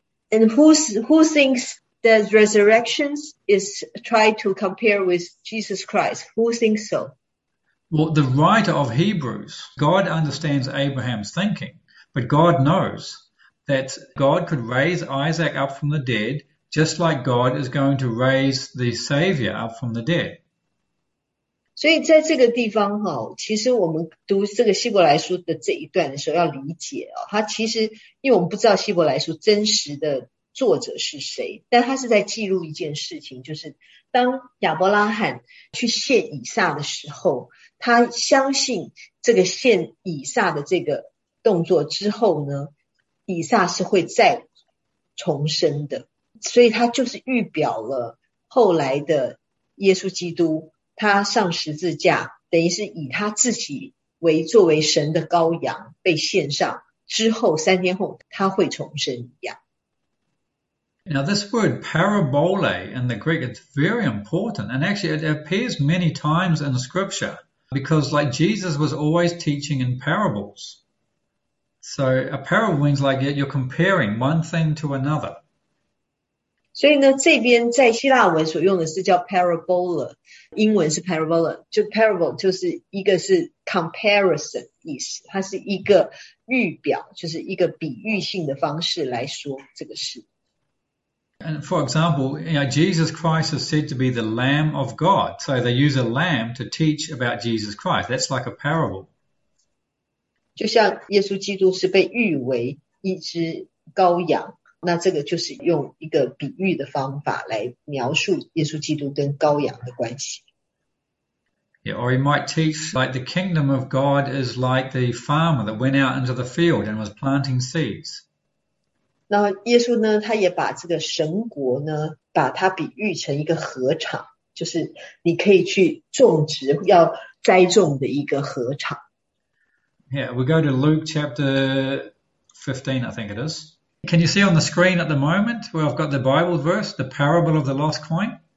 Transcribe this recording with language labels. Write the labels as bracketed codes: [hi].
[en] And who thinks that resurrections is trying to compare with Jesus Christ? Who thinks so? Well, the writer of Hebrews, God understands Abraham's thinking, but God knows that God could raise Isaac up from the dead, just like God is going to raise the Savior up from the dead. [zh] 所以在这个地方其实我们读这个希伯来书的这一段的时候，要理解它其实因为我们不知道希伯来书真实的作者是谁，但他是在记录一件事情，就是当亚伯拉罕去献以撒的时候，他相信这个献以撒的这个动作之后呢，以撒是会再重生的，所以他就是预表了后来的耶稣基督。他上十字架，等于是以他自己为作为神的羔羊被献上之后，3天后他会重生一样。 [en] Now, this word parabole in the Greek, it's very important. And actually, it appears many times in scripture because, like, Jesus was always teaching in parables. So, a parable means like you're comparing one thing to another. [zh] 所以呢，这边在希腊文所用的是叫 parabola，英文是 parabola，就 parable 就是一个是 comparison 意思，它是一个预表，就是一个比喻性的方式来说这个事。 [en] And for example, Jesus Christ is said to be the Lamb of God. So they use a lamb to teach about Jesus Christ. That's like a parable. [zh] 就像耶稣基督是被誉为一只羔羊。那这个就是用一个比喻的方法来描述耶稣基督跟羔羊的关系。 [en] Yeah, or he might teach like the kingdom of God is like the farmer that went out into the field and was planting seeds. [zh] 那耶稣呢，他也把这个神国呢，把它比喻成一个禾场，就是你可以去种植、要栽种的一个禾场。 [en] Yeah, we go to Luke chapter 15, I think it is. Can you see on the screen at the moment where I've got the Bible verse, the parable of the lost coin?